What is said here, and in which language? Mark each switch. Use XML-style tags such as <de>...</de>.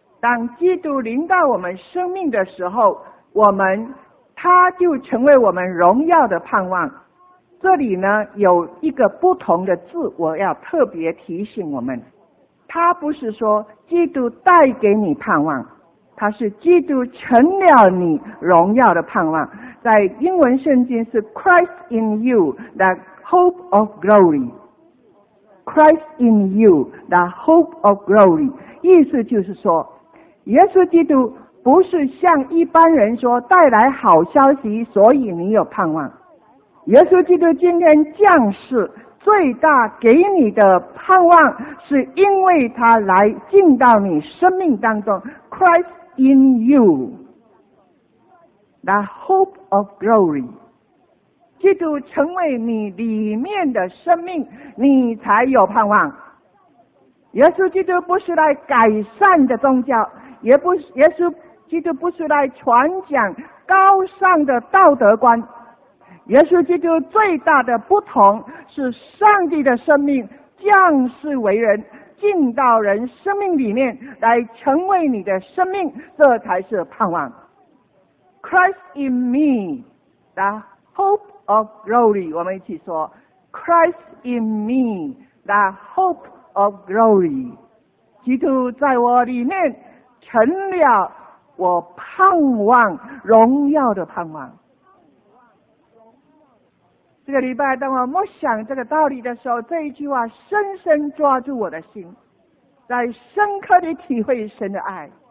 <zh>当基督临到我们生命的时候，他就成为我们荣耀的盼望。这里呢有一个不同的字，我要特别提醒我们，他不是说基督带给你盼望，他是基督成了你荣耀的盼望。在英文圣经是</zh> <en>Christ in you, the hope of glory. Christ in you, the hope of glory.</en> <zh>意思就是说，耶稣基督不是像一般人说带来好消息，所以你有盼望。耶稣基督今天降世，最大给你的盼望是因为他来进到你生命当中。</zh> <en>Christ in you, the hope of glory.</en> <zh>基督成为你里面的生命，你才有盼望。耶稣基督不是来改善的宗教，耶稣基督不是来传讲高尚的道德观。耶稣基督最大的不同是上帝的生命降世为人，进到人生命里面来成为你的生命，这才是盼望。</zh> <en>Christ in me, the hope of glory.</en> <zh>我们一起说</zh> <en>Christ in me, the hope of glory.</en> <zh>基督在我里面成了我盼望荣耀的盼望。这个礼拜当我默想这个道理的时候，这一句话深深抓住我的心，在深刻地体会神的爱。</zh>